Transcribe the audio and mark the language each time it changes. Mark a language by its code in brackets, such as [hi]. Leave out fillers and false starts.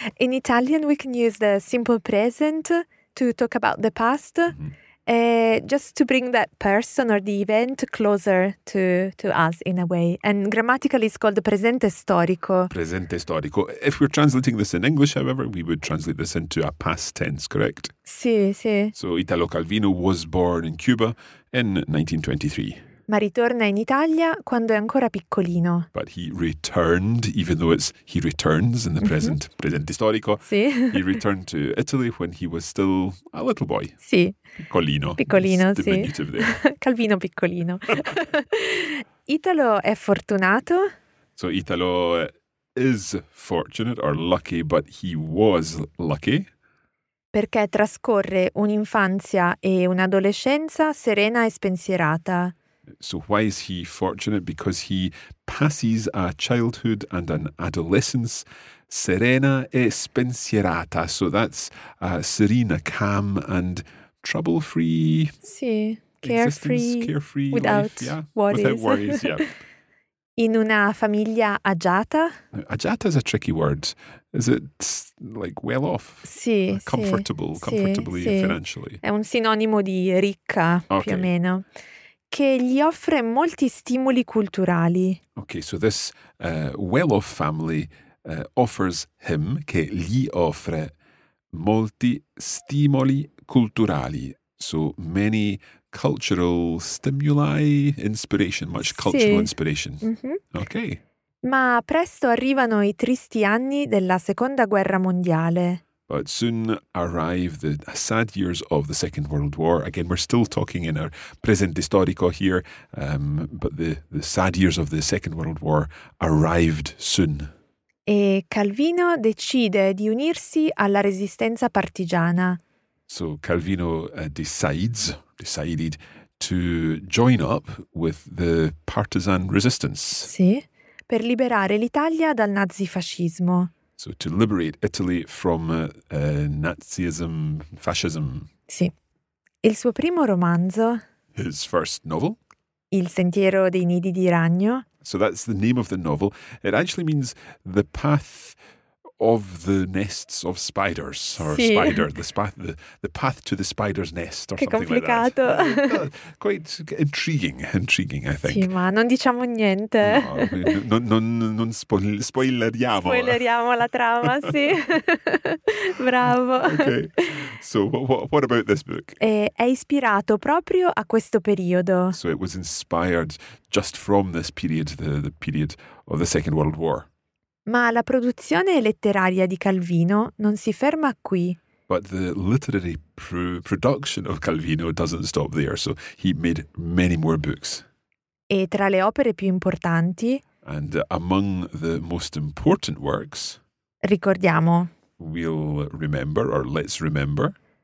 [en] In Italian, we can use the simple present to talk about the past, just to bring that person or the event closer to us in a way. And grammatically, it's called the presente storico. [it] Presente storico. [en] If we're translating this in English, however, we would translate this into a past tense, correct? [it] Sì, sì. [en] So Italo Calvino was born in Cuba in 1923. [it] Ma ritorna in Italia quando è ancora piccolino. [en] But he returned, even though it's he returns in the present, presente storico. [it] Sì. [en] He returned to Italy when he was still a little boy. [it] Sì. Piccolino. Piccolino, sì. [en] Diminutive there. [it] Calvino piccolino. Italo è fortunato. [en] So Italo is fortunate or lucky, but he was lucky. [it] Perché trascorre un'infanzia e un'adolescenza serena e spensierata. [en] So why is he fortunate? Because he passes a childhood and an adolescence [it] serena e spensierata. [en] So that's serena, calm and trouble-free. Sì, carefree without life, yeah? Worries. Without worries, yeah. [it] In una famiglia agiata. [en] Agiata is a tricky word. Is it like well off? [it] Sì, [en] comfortable, [it] sì, [en] comfortably, [it] sì. [en] Financially. [it] È un sinonimo di ricca, [en] okay. [it] Più o meno. Che gli offre molti stimoli culturali. [en] Okay, so this well off family offers him, [it] che gli offre molti stimoli culturali. [en] So many cultural stimuli, inspiration, much cultural [it] sì. [en] Inspiration. Mm-hmm. Okay. [it] Ma presto arrivano i tristi anni della Seconda Guerra Mondiale. [en] But soon arrive the sad years of the Second World War. Again, we're still talking in our presente storico here, but the sad years of the Second World War arrived soon. [it] E Calvino decide di unirsi alla resistenza partigiana. [en] So Calvino decided to join up with the partisan resistance. [it] Sì, per liberare l'Italia dal nazifascismo. [en] So to liberate Italy from Nazism, fascism. [it] Sì. Il suo primo romanzo. [en] His first novel. [it] Il sentiero dei nidi di ragno. [en] So that's the name of the novel. It actually means the path of the nests of spiders, or [it] sì. [en] Spider, the path to the spider's nest, or [it] che [en] something [it] complicato. [en] Like that. Quite intriguing, I think. [it] Sì, ma non diciamo niente. Non spoileriamo. Spoileriamo la trama, sì. Bravo. [en] Okay, so what about this book? [it] È ispirato proprio a questo periodo. [en] So it was inspired just from this period, the period of the Second World War. [it] Ma la produzione letteraria di Calvino non si ferma qui. [en] But the literary production of Calvino doesn't stop there, so he made many more books. [it] E tra le opere più importanti. [en] And among the most important works. [it] Ricordiamo. [en] We'll remember, or let's remember.